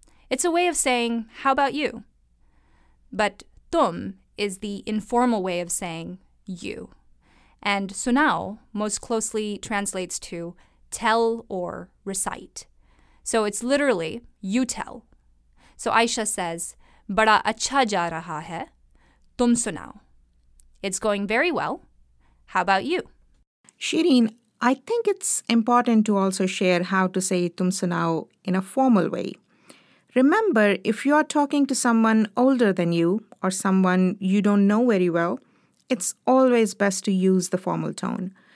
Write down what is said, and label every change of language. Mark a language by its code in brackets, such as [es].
[en] It's a way of saying, how about you? But Tum is the informal way of saying you. And sunao most closely translates to tell or recite. So it's literally, you tell. So Aisha says, [ur] بڑا اچھا جا رہا ہے۔ تم سناؤ۔ [en] It's going very well. How about you? Shireen, I think it's important to also share how to say tum sunao in a formal way. Remember, if you are talking to someone older than you or someone you don't know very well, it's always best to use the formal tone.